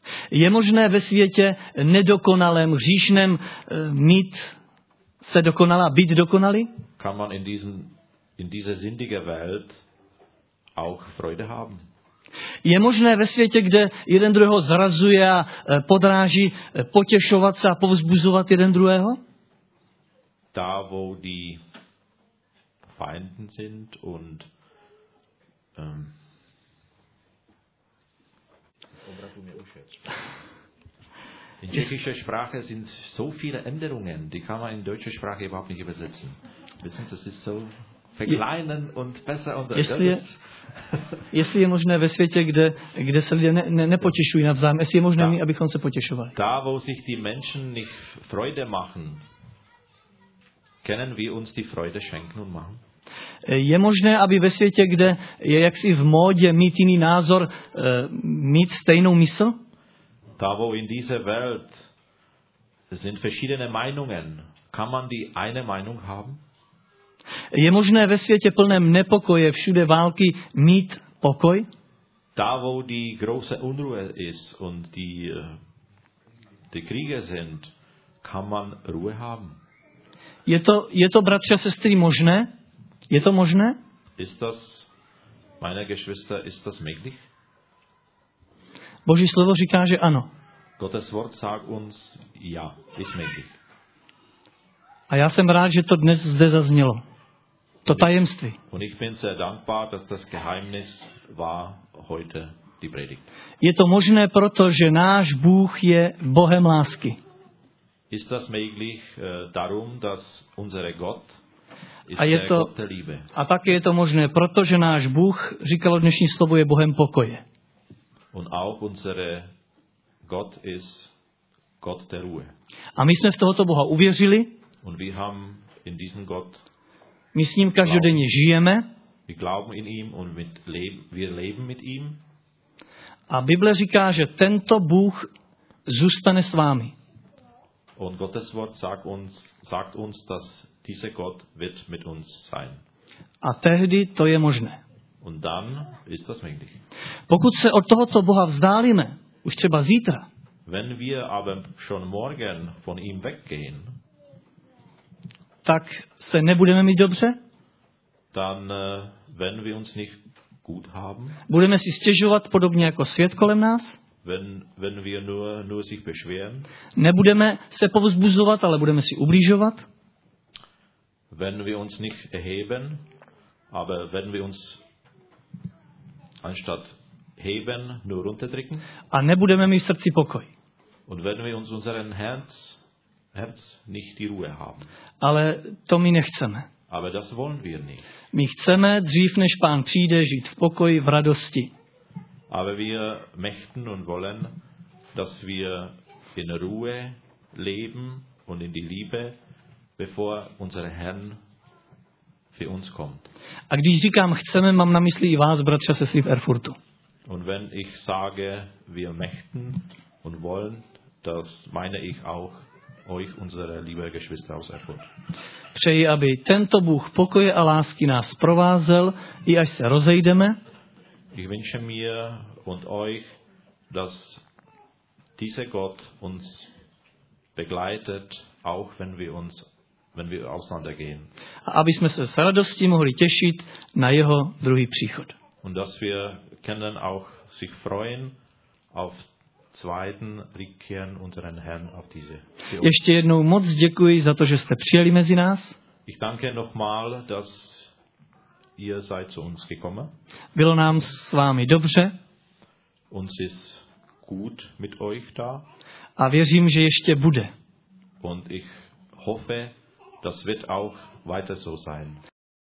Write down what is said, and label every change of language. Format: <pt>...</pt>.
<cs>Je možné ve světě nedokonalém, hříšném mít se dokonalá, být dokonalý?</cs> <de>Kann man in dieser sündigen Welt auch Freude haben?</de> <cs>Je možné ve světě, kde jeden druhého zrazuje a podráží, potěšovat se a povzbuzovat jeden druhého?</cs> <de>Da, wo die Feinden sind und in tschechischer Sprache sind so viele Änderungen, die kann man in deutscher Sprache überhaupt nicht übersetzen. Wissen Sie, das ist so verkleinern und besser und anders.</de> <cs>Jestli je možné ve světě, kde se lidé nepotěšují navzájem, jestli je možné, da, abychom se potěšovali.</cs> <de>Da, wo sich die Menschen nicht Freude machen, können wir uns die Freude schenken und machen?</de> <cs>Je možné, aby ve světě, kde je jaksi v módě mít jiný názor, mít stejnou mysl?</cs> <de>Da, wo in dieser Welt sind verschiedene Meinungen, kann man die eine Meinung haben?</de> <cs>Je možné ve světě plném nepokoje, všude války, mít pokoj?</cs> <de>Da, wo die große Unruhe ist und die Kriege sind, kann man Ruhe haben?</de> <cs>Je to bratře a sestry možné? Je to možné?</cs> <de>Ist das, meine Geschwister, ist das möglich?</de> <cs>Boží slovo říká, že ano.</cs> <de>Gottes Wort sagt uns, ja, ist möglich.</de> <cs>A já jsem rád, že to dnes zde zaznělo. To tajemství.</cs> <de>Und ich bin sehr dankbar, dass das Geheimnis war heute die Predigt.</de> <cs>Je to možné, protože náš Bůh je Bohem lásky.</cs> <de>Ist das möglich darum, dass unser Gott ist der Gott der Liebe.</de> <cs>A také je to možné, protože náš Bůh, říkalo dnešní slovo, je Bohem pokoje.</cs> <de>Und auch unser Gott ist Gott der Ruhe.</de> <cs>A my jsme v tohoto Boha uvěřili.</cs> <de>Und wir haben in diesen Gott.</de> <cs>My s ním každodenně žijeme.</cs> <de>Wir glauben in ihm und wir leben mit ihm.</de> <cs>A Bible říká, že tento Bůh zůstane s vámi.</cs> <de>Und Gottes Wort sagt uns, dass dieser Gott wird mit uns sein.</de> <cs>A tehdy to je možné.</cs> <de>Und dann ist das möglich.</de> <cs>Pokud se od tohoto Boha vzdálíme, už třeba zítra.</cs> <de>Wenn wir aber schon morgen von ihm weggehen,</de> <cs>tak se nebudeme mít dobře?</cs> <de>Dann wenn wir uns nicht gut haben?</de> <cs>Budeme si stěžovat podobně jako svět kolem nás?</cs> <de>Wenn wir nur sich beschweren?</de> <cs>Nebudeme se povzbuzovat, ale budeme si ublížovat?</cs> <de>Wenn wir uns nicht erheben, aber wenn wir uns anstatt heben nur runterdrücken?</de> <cs>A nebudeme mít v srdci pokoj.</cs> <de>Und wenn wir uns unseren Herz nicht die Ruhe haben.</de> <cs>Ale to my nechceme.</cs> <de>Aber das wollen wir nicht.</de> <cs>My chceme dřív, než Pán přijde, žít v pokoji, v radosti.</cs> <de>Aber wir möchten und wollen, dass wir in Ruhe leben und in die Liebe, bevor unser Herr für uns kommt.</de> <cs>A když říkám chceme, mám na mysli i vás, bratře, sestry v Erfurtu.</cs> <de>Und wenn ich sage, wir möchten und wollen, das meine ich auch euch, unsere liebe Geschwister aus Erfurt.</de> <cs>Přeji, aby tento Bůh pokoje a lásky nás provázel, i až se rozejdeme.</cs> <de>Ich wünsche mir und euch, dass dieser Gott uns begleitet, auch wenn wir auseinandergehen.</de> <cs>A aby jsme se s radostí mohli těšit na jeho druhý příchod.</cs> <de>Und dass wir können auch sich freuen auf zweiten Rückkehren unseren Herrn auf diese.</de> <cs>Ještě jednou moc děkuji za to, že jste přijeli mezi nás.</cs> <de>Ich danke nochmal, dass ihr seid zu uns gekommen.</de> <cs>Bylo nám s vámi dobře.</cs> <de>Uns ist gut mit euch da.</de> <cs>A věřím, že ještě bude.</cs> <de>Und ich hoffe, das wird auch weiter so sein.</de>